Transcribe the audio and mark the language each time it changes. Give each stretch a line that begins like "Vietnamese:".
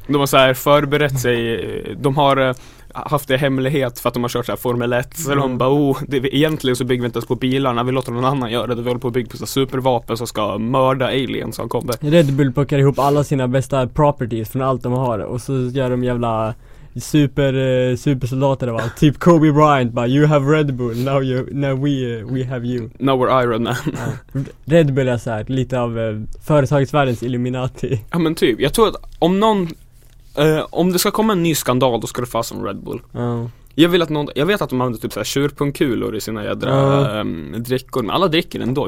Swedish: De har så här förberett sig, de har haft det hemlighet för att de har kört så här Formel 1. Så de bara, oh, det, egentligen så bygger vi inte på bilarna, vi låter någon annan göra det. Vi håller på att bygga på så supervapen som ska mörda aliens som kommer. Red Bull plockar ihop alla sina bästa properties från allt de har och så gör de jävla supersoldater, va? Typ Kobe Bryant, bara,
English: you have Red Bull, now we have you. Now we're Iron Man.
Swedish: Red Bull är så här lite av företagsvärldens Illuminati. Ja, men typ, jag tror att om någon om det ska komma en ny skandal, då ska det fasen Red Bull. Jag vill att någon, jag vet att de använder typ så här tjurpunkulor i sina jädra drickor, men alla dricker ändå.